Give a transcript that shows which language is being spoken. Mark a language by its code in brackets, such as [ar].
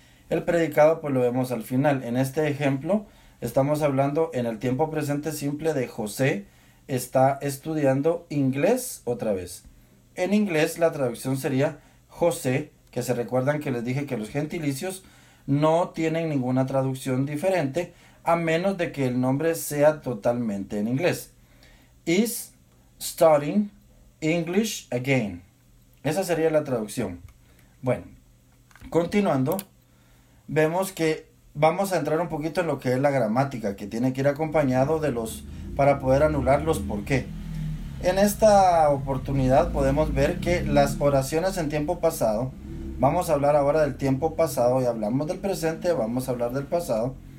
[es] El predicado, pues lo vemos al final. En este ejemplo, estamos hablando en el tiempo presente simple de José está estudiando inglés otra vez. En inglés, la traducción sería José, que se recuerdan que les dije que los gentilicios no tienen ninguna traducción diferente, a menos de que el nombre sea totalmente en inglés. [en] Is studying English again. [es] Esa sería la traducción. Bueno, continuando, vemos que vamos a entrar un poquito en lo que es la gramática, que tiene que ir acompañado de los para poder anular los por qué. En esta oportunidad podemos ver que las oraciones en tiempo pasado, vamos a hablar ahora del tiempo pasado y hablamos del presente, vamos a hablar del pasado.